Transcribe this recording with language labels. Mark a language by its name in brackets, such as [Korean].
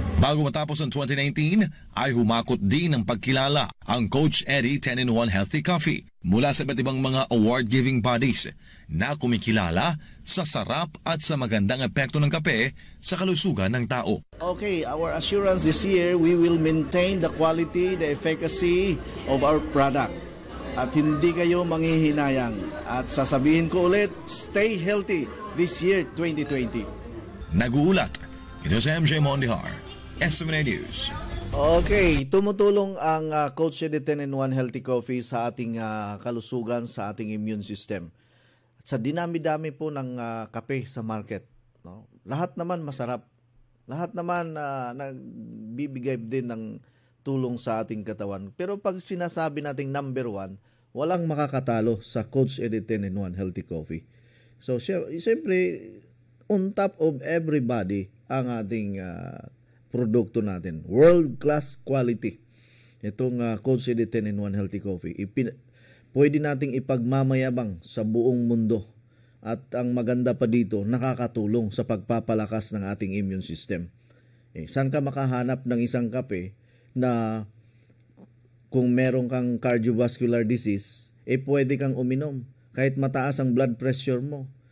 [Filipino] Bago matapos ang 2019, ay humakot din ang pagkilala ang Coach Eddie 10-in-1 Healthy Coffee mula sa iba't ibang mga award-giving bodies na kumikilala sa sarap at sa magandang epekto ng kape sa kalusugan ng tao. [English] Okay, our assurance this year, we will maintain the quality, the efficacy of our product. [Filipino] At hindi kayo manghihinayang. At sasabihin ko ulit, [English] stay healthy this year 2020. [Filipino] Naguulat, ito si MJ Mondihar, SMNA News. Okay, tumutulong ang Coach Eddie 10-in-1 Healthy Coffee sa ating kalusugan, sa ating immune system. At sa dinami-dami po ng kape sa market, no? Lahat naman masarap. Lahat naman nagbibigay din ng tulong sa ating katawan. Pero pag sinasabi nating number one, walang makakatalo sa Coach Eddie 10-in-1 Healthy Coffee. So, siyempre, [English] on top of everybody [Filipino] ang ating produkto natin. [English] World-class quality. [Filipino] Itong Coach Eddie 10-in-1 Healthy Coffee. Pwede nating ipagmamayabang sa buong mundo. At ang maganda pa dito, nakakatulong sa pagpapalakas ng ating immune system. Saan ka makahanap ng isang kape na kung meron kang cardiovascular disease, pwede kang uminom kahit mataas ang blood pressure mo.